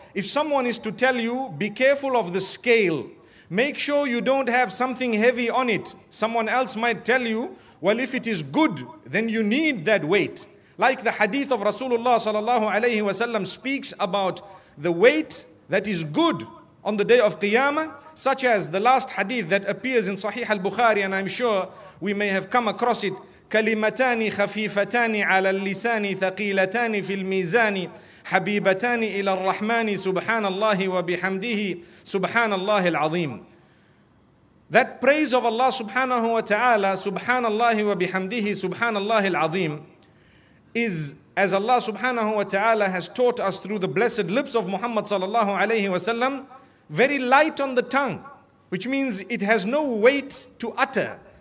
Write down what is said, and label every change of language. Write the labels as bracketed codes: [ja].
[en] If someone is to tell you, be careful of the scale, make sure you don't have something heavy on it, someone else might tell you, well, if it is good, then you need that weight. Like the hadith of Rasulullah sallallahu alayhi wa sallam speaks about the weight that is good on the day of Qiyamah, such as the last hadith that appears in Sahih al-Bukhari, and I'm sure we may have come across it. [ar] كلمتان خفيفتان على اللسان ثقيلتان في الميزان حبيبتان إلى الرحمن سبحان الله وبحمده سبحان الله العظيم. [en] That praise of Allah subhanahu wa ta'ala, subhanallah wa bihamdihi, subhanallah al-azim, is, as Allah subhanahu wa ta'ala has taught us through the blessed lips of Muhammad sallallahu alayhi wa sallam, very light on the tongue, which means it has no weight to utter.